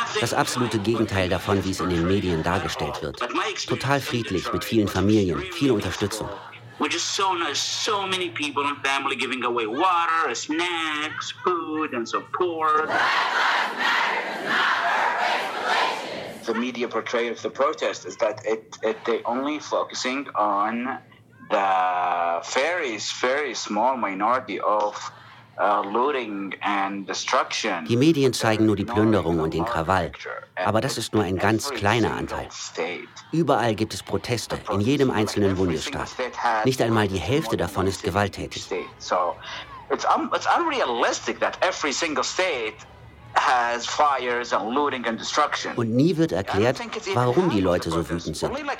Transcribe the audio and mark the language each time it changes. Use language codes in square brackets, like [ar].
[de] Das absolute Gegenteil davon, wie es in den Medien dargestellt wird. Total friedlich, mit vielen Familien, viel Unterstützung. [en] The media portrayal of the protest is that they only focusing on the very, very small minority of looting and destruction. [de] Die Medien zeigen nur die Plünderung und den Krawall. Aber das ist nur ein ganz kleiner Anteil. Überall gibt es Proteste, in jedem einzelnen Bundesstaat. Nicht einmal die Hälfte davon ist gewalttätig. [en] So, it's unrealistic that every single state has fires and looting and destruction. [de] Und nie wird erklärt, warum die Leute so wütend sind.